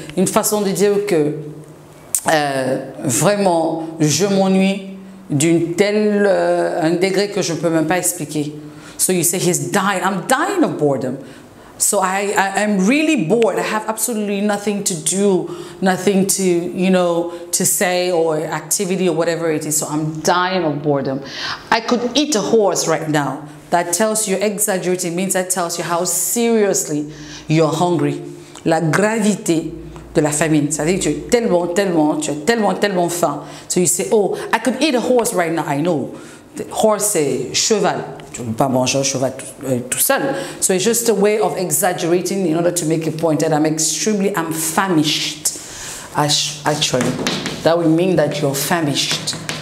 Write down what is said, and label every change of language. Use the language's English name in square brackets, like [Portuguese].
[French] Une façon de dire que vraiment, je m'ennuie d'une telle, un degré que je ne peux même pas expliquer. [English] So you say he's dying. I'm dying of boredom. So I am really bored. I have absolutely nothing to do, nothing to, you know, to say or activity or whatever it is. So I'm dying of boredom. I could eat a horse right now. That tells you, exaggerating means that tells you how seriously you're hungry. [French] La gravité de la famine. C'est-à-dire tu es tellement, tellement, tu as tellement, tellement faim. [English] So you say, oh, I could eat a horse right now. I know. The horse, cheval. So it's just a way of exaggerating in order to make a point that I'm famished. Actually, that would mean that you're famished.